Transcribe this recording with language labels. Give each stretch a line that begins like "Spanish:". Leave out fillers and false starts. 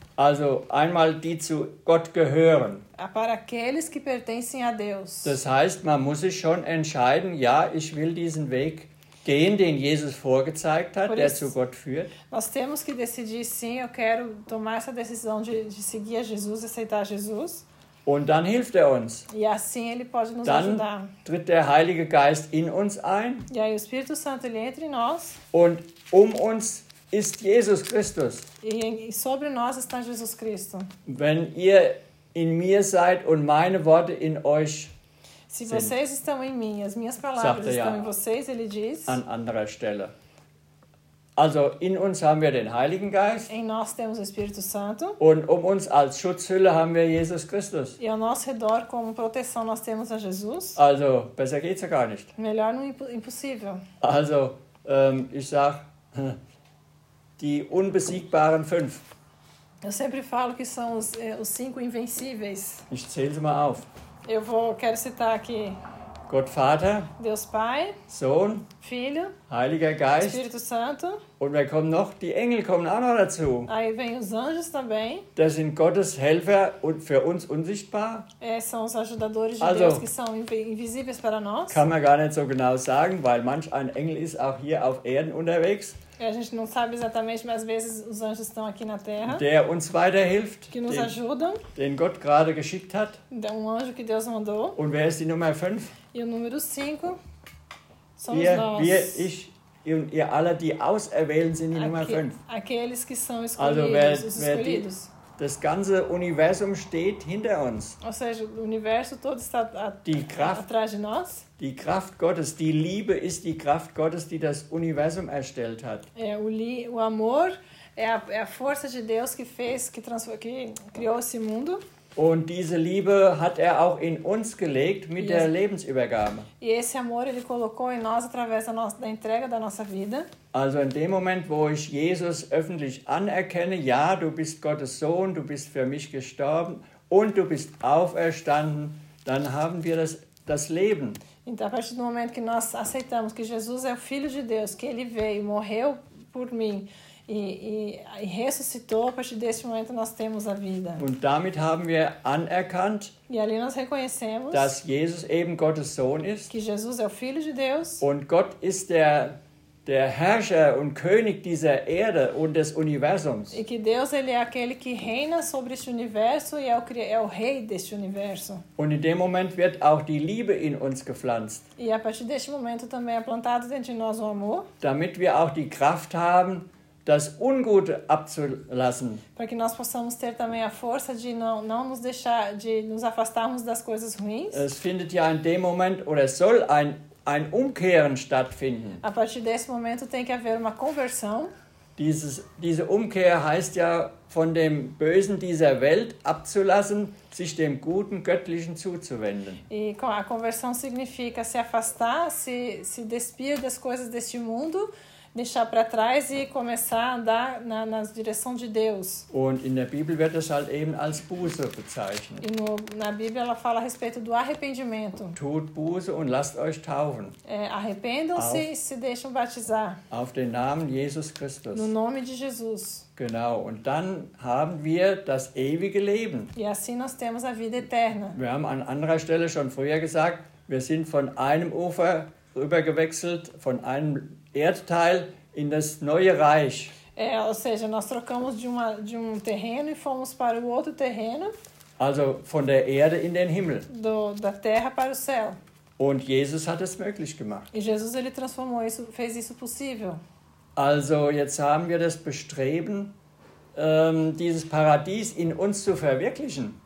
German: Also einmal die zu Gott gehören.
Portuguese: Para aqueles que pertencem a Deus.
German: Das heißt, man muss sich schon entscheiden, ja, ich will diesen Weg gehen, den Jesus vorgezeigt hat,
Portuguese: isso,
German: der zu Gott führt.
Portuguese: Nós temos que decidir sim, eu quero tomar essa decisão de seguir a Jesus, aceitar Jesus.
German: Und dann hilft er uns.
Portuguese: E assim ele pode nos
German: dann
Portuguese: ajudar.
German: Tritt der Heilige Geist in uns ein.
Portuguese: E aí, o Espírito Santo, ele entra em nós.
German: Und uns ist Jesus Christus.
Portuguese: E sobre nós está Jesus Cristo.
German: Wenn ihr in mir seid und meine Worte in euch
Portuguese: Se vocês
German: sind,
Portuguese: estão em mim, as minhas palavras estão em vocês, ele diz.
German: An anderer Stelle. Also in uns haben wir den Heiligen Geist.
Portuguese: Em nós temos o Espírito Santo.
German: Und uns als Schutzhülle haben wir Jesus Christus.
Portuguese: E ao nosso redor como proteção nós temos a Jesus.
German: Also besser geht's ja gar nicht.
Portuguese: Melhor não impossível.
German: Also ich sag die unbesiegbaren fünf.
Portuguese: Eu sempre falo que são os cinco invencíveis.
German: Ich zähle sie mal auf.
Portuguese: Eu quero citar aqui.
German: Gott Vater,
Portuguese: Deus Pai,
German: Sohn,
Portuguese: Filho,
German: Heiliger Geist,
Portuguese: Espírito Santo,
German: und wir kommen noch, die Engel kommen auch noch dazu.
Portuguese: Aí vem os anjos também.
German: Das sind Gottes Helfer und für uns unsichtbar.
Portuguese: É, são os ajudadores de also, Deus, que são invisíveis para nós.
German: Kann man gar nicht so genau sagen, weil manch ein Engel ist auch hier auf Erden unterwegs.
Portuguese: A gente não sabe exatamente, mas às vezes os anjos estão aqui na Terra.
German: Der uns weiterhilft.
Portuguese: Que nos ajudam.
German: Den Gott gerade geschickt hat.
Portuguese: Um anjo que Deus mandou.
German: Und wer ist die Nummer 5?
Portuguese: E o número 5 somos
German: wir,
Portuguese: nós.
German: Wir, ich und ihr alle, die auserwählen, sind die Nummer 5.
Portuguese: Aqueles que são escolhidos,
German: also wer,
Portuguese: os escolhidos.
German: Das ganze Universum steht hinter uns.
Portuguese: Ou seja, o universo todo está atrás de nós.
German: Die Kraft Gottes, die Liebe ist die Kraft Gottes, die das Universum erstellt hat.
Portuguese: É, o amor é a força de Deus que fez, que criou esse mundo.
German: Und diese Liebe hat er auch in uns gelegt mit der Lebensübergabe.
Portuguese: E esse amor ele colocou em nós através da entrega da nossa vida.
German: Also in dem Moment, wo ich Jesus öffentlich anerkenne, ja, du bist Gottes Sohn, du bist für mich gestorben und du bist auferstanden, dann haben wir das Leben.
Portuguese: Então, a partir do momento que nós aceitamos que Jesus é o Filho de Deus, que ele veio e morreu por mim, E ressuscitou, a partir deste momento nós temos a vida.
German: Und damit haben wir anerkannt,
Portuguese: e ali nós reconhecemos,
German: dass Jesus eben Gottes Sohn ist,
Portuguese: que Jesus é o Filho de Deus.
German: Und Gott ist der Herrscher und König dieser Erde und des Universums.
Portuguese: E que Deus ele é aquele que reina sobre este universo e é o rei deste universo.
German: Und in dem Moment wird auch die Liebe in uns gepflanzt.
Portuguese: E a partir deste momento também é plantado dentro de nós o amor.
German: Damit wir auch die Kraft haben, das Ungute abzulassen.
Portuguese: Para que nós possamos ter também a força de não nos deixar, de nos afastarmos das coisas ruins.
German: Es findet ja in dem Moment oder soll ein Umkehren stattfinden.
Portuguese: A partir desse momento tem que haver uma conversão.
German: Diese Umkehr heißt ja, von dem Bösen dieser Welt abzulassen, sich dem Guten, Göttlichen zuzuwenden.
Portuguese: E a conversão significa se afastar, se despir das coisas deste mundo, deixar para trás e começar a andar na direção de Deus.
German: Und in der Bibel wird es halt eben als Buße bezeichnet.
Portuguese: E na Bíblia ela fala a respeito do arrependimento.
German: Tut Buße und lasst euch taufen.
Portuguese: É, arrependam-se e se deixam batizar.
German: Auf den Namen Jesus Christus.
Portuguese: No nome de Jesus.
German: Genau, und dann haben wir das ewige Leben.
Portuguese: E assim nós temos a vida eterna.
German: Wir haben an anderer Stelle schon früher gesagt, wir sind von einem Ufer rübergewechselt, von einem Erdteil in das neue Reich.
Portuguese: É, ou seja, nós trocamos de um terreno e fomos para o outro terreno.
German: Also von der Erde in den Himmel.
Portuguese: Da Terra para o céu.
German: Und Jesus hat es möglich gemacht.
Portuguese: E Jesus ele transformou isso, fez isso possível.
German: Also jetzt haben wir das Bestreben, dieses Paradies in uns zu verwirklichen.